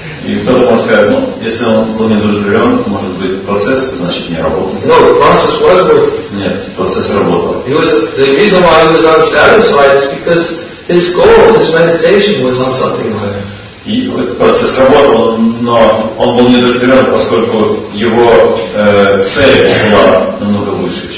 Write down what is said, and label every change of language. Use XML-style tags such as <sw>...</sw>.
<ru>И кто-то может сказать, ну, если он был неудовлетворен, может быть, процесс, значит, не работал.</ru> <en>No, the process was working.</en> <ru>Нет, процесс работал.</ru> <en>He was, the reason why he was unsatisfied is because his goal, his meditation was on something higher.</en> <ru>И процесс работал, но он был неудовлетворен, поскольку его цель была намного выше.</ru>